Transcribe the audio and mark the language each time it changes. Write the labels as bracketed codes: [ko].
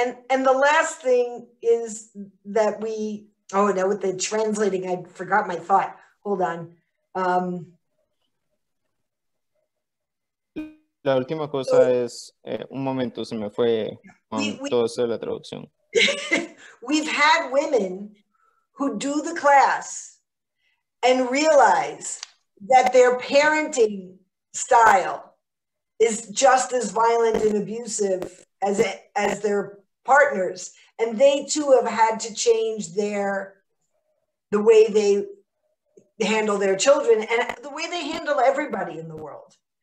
[en] And the last thing is that we, oh no, with the translating, I forgot my thought. Hold on. [es] La última cosa es, un momento, se me fue con todo eso de la traducción. [en] We've had women who do the class and realize that their parenting style is just as violent and abusive as their partners. And they too have had to change the way they handle their children and the way they handle everybody in the world.